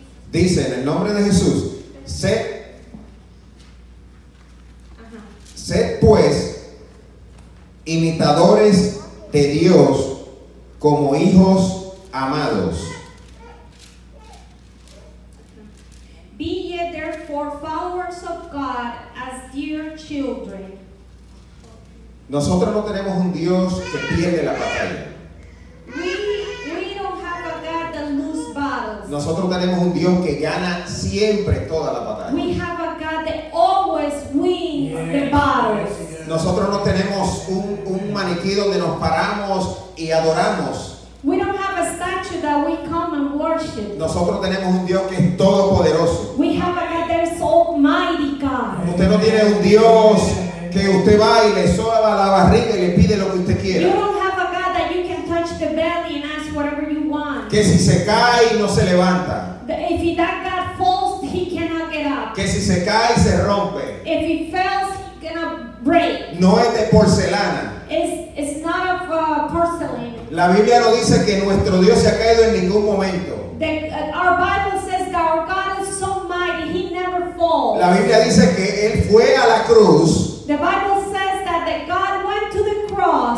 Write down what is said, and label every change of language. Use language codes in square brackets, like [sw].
[es] Dice, en el nombre de Jesús, sed pues imitadores de Dios como hijos amados. [en] Be ye therefore followers of God as dear children. [es] Nosotros no tenemos un Dios que pierde la batalla. [en] We don't have a God that loses battles. [es] Nosotros tenemos un Dios que gana siempre toda la batalla. [en] We have a God that always wins the battles. [es] Nosotros no tenemos un maniquí donde nos paramos y adoramos. [en] We don't have a statue that we come and worship. [es] Nosotros tenemos un Dios que es todopoderoso. [en] We have a God that is almighty God. [es] Usted no tiene un Dios que usted va y le soba la barriga y le pide lo que usted quiera. [en] You don't have a God that you can touch the belly and ask whatever you want. [es] Que si se cae no se levanta. [en] If that God falls, he cannot get up. [es] Que si se cae se rompe. [en] If he fails, he cannot break. [es] No es de porcelana. [en] It's not of porcelain. [es] La Biblia no dice que nuestro Dios se ha caído en ningún momento. [en] Our Bible says that our God is so mighty, he never falls. [es] La Biblia dice que él fue a la cruz. [en] The Bible says that God went to the cross.